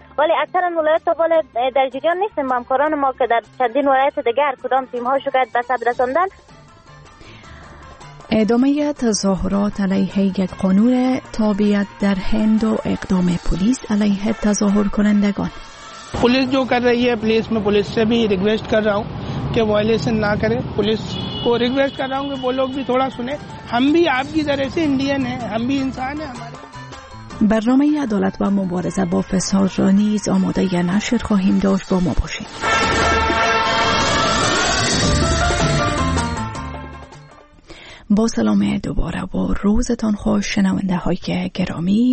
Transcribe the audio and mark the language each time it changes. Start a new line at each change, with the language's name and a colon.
Persian: ولی اکثر ولایت تا بالا در جریان نیستن. با همکاران ما که در چندین ولایت دیگر کدام تیم ها شکایت به ثبت رساندند. ادامه تظاهرات علیه یک قانون تابعیت در هند و اقدام پلیس علیه تظاهر کنندگان.
Urdu: پلیس جو کر رہی ہے پلیس میں پولیس سے بھی ریکویسٹ کر رہا ہوں کہ وائلیشن نہ کرے. پولیس کو ریکویسٹ کر رہا ہوں کہ وہ لوگ بھی تھوڑا سنیں. ہم بھی آپ کی طرح سے انڈین ہیں, ہم بھی انسان ہیں. ہمارے
Persian: برنامه عدالت و مبارزه با فساد را نیز آماده ی نشر خواهیم داشت. با ما باشید. با سلام دوباره و روزتان خوش شنونده های که گرامی.